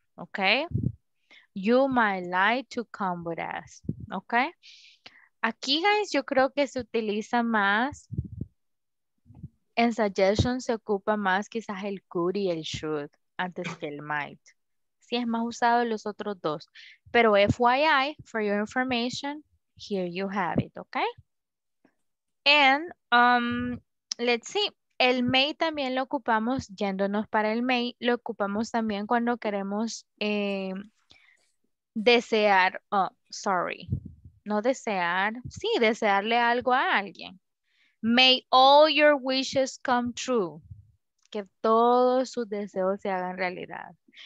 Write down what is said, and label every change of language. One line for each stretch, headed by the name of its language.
English: Okay? You might like to come with us. Okay?
Spanish: aquí, guys, yo creo que se utiliza más. En suggestion se ocupa más quizás el could y el should antes que el might. Sí, es más usado los otros dos. Pero
English: FYI, for your information, here you have it, okay? And let's see.
Spanish: El may también lo ocupamos, yéndonos para el may, lo ocupamos también cuando queremos desear,
English: oh, sorry,
Spanish: no desear, sí, desearle algo a alguien.
English: May all your wishes come true.
Spanish: Que todos sus deseos se hagan realidad.